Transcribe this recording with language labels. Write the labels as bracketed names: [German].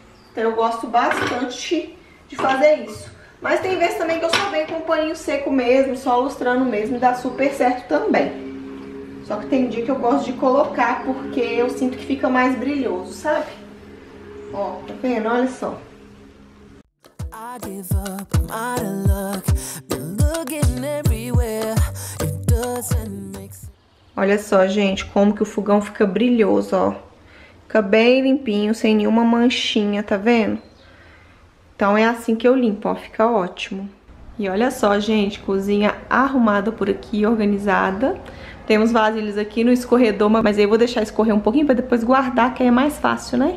[Portuguese] Então eu gosto bastante de fazer isso. Mas tem vezes também que eu só venho com o paninho seco mesmo, só lustrando mesmo, e dá super certo também. Só que tem dia que eu gosto de colocar, porque eu sinto que fica mais brilhoso, sabe? Ó, tá vendo? Olha só. [English] give up, I'm out of luck. Been looking everywhere, it doesn't make sense. [Portuguese] Olha só, gente, como que o fogão fica brilhoso, ó. Fica bem limpinho, sem nenhuma manchinha, tá vendo? Então é assim que eu limpo, ó, fica ótimo. E olha só, gente, cozinha arrumada por aqui, organizada. Temos vasilhas aqui no escorredor, mas aí eu vou deixar escorrer um pouquinho pra depois guardar, que aí é mais fácil, né?